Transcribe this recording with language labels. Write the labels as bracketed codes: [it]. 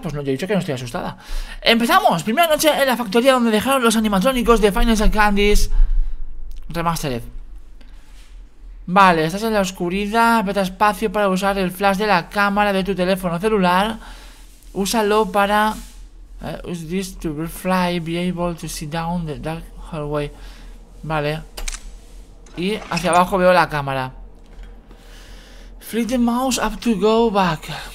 [es] Pues no, yo he dicho que no estoy asustada. ¡Empezamos! Primera noche en la factoría donde dejaron los animatrónicos de Five Nights at Candy's Remastered. Vale, estás en la oscuridad. Aprieta espacio para usar el flash de la cámara de tu teléfono celular. Úsalo para... [en] use this to fly, be able to see down the dark hallway. [es] Vale. Y hacia abajo veo la cámara. [en] Flip the mouse up to go back.